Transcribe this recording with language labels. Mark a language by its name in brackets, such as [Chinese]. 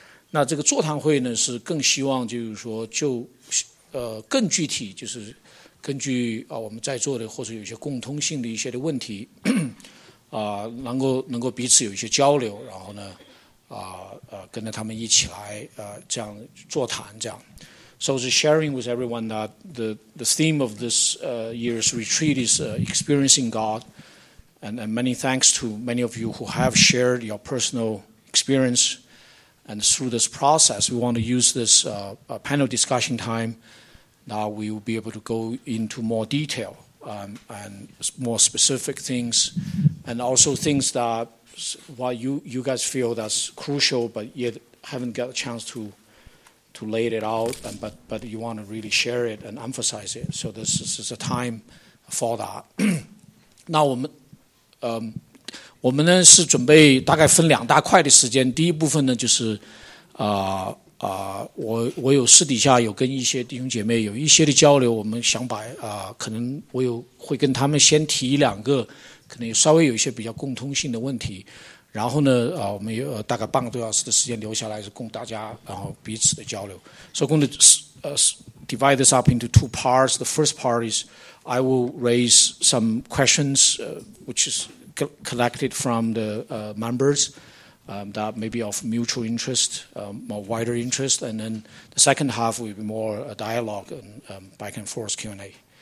[Chinese] 那这个座谈会呢，是更希望就是说更具体，就是根据我们在座的或者有些共通性的一些的问题能够彼此有一些交流，然后呢跟着他们一起来这样座谈这样。 [English] So just sharing with everyone that the theme of this year's retreat is experiencing God, and many thanks to many of you who have shared your personal experience, and through this process, we want to use this panel discussion time. Now we will be able to go into more detail and more specific things, and also things that while you guys feel that's crucial, but yet haven't got a chance to lay it out, but you want to really share it and emphasize it. So this is a time for that. [Chinese] 那我们呢是准备大概分两大块的时间。第一部分呢就是我有私底下有跟一些弟兄姐妹有一些的交流，我们想把可能我有会跟他们先提两个可能稍微有一些比较共通性的问题。然后呢我们有大概半个多小时的时间留下来是供大家然后彼此的交流。 [English] So I'm going to divide this up into two parts. The first part is I will raise some questions which is collected from the members that may be of mutual interest, more wider interest. And then the second half will be more a dialogue and back and forth Q&A.